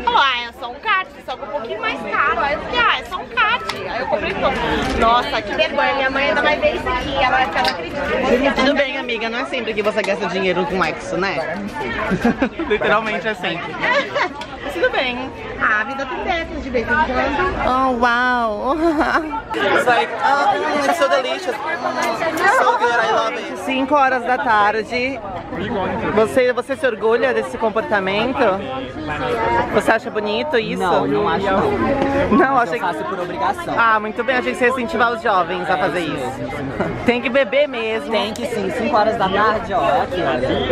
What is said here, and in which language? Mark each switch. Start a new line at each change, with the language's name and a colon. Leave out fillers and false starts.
Portuguese: Ah, é só um card, só que um pouquinho mais caro. Aí eu fiquei, ah, é só um card. Aí eu comprei todo. Nossa, que vergonha, minha mãe ainda vai ver isso aqui, ela vai ficar, acredita. Tudo bem, amiga, não é sempre que você gasta dinheiro com exo, né? Literalmente é sempre. Tudo bem. A vida tem dessas de vez em quando. Oh, uau.
English: It's like, oh, it's so delicious. It's so good, I love it.
Portuguese: 5 horas da tarde. Você se orgulha desse comportamento? Você acha bonito isso? Não, não acho não. Não, acho que... Eu faço por obrigação. Ah, muito bem, achei que você ia incentivar os jovens a fazer isso. Tem que beber mesmo. Tem que sim, 5 horas da tarde, ó. Aqui,